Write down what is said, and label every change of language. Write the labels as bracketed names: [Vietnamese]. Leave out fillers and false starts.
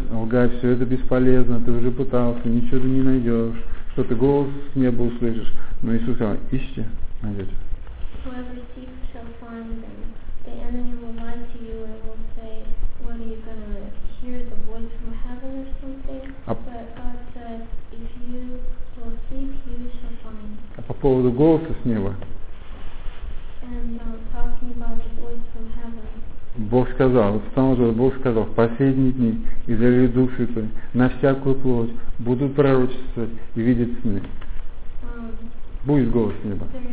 [Russian] Лгать, все это бесполезно. Ты уже пытался, ничего ты не найдешь. Что ты голос с неба услышишь. Но Иисус сказал, ищите, найдете. [English] Whoever seeks shall find them. The enemy will lie to you and will say, what are you gonna hear the voice from heaven or something, but God said, if you will seek, you shall find. [Russian] А по поводу голоса с неба? [English] And talking about the voice from heaven. [Russian] Бог сказал, в том же Бог сказал, в последние дни изолью души твои на всякую плоть, будут пророчествовать и видеть сны. Будет голос неба.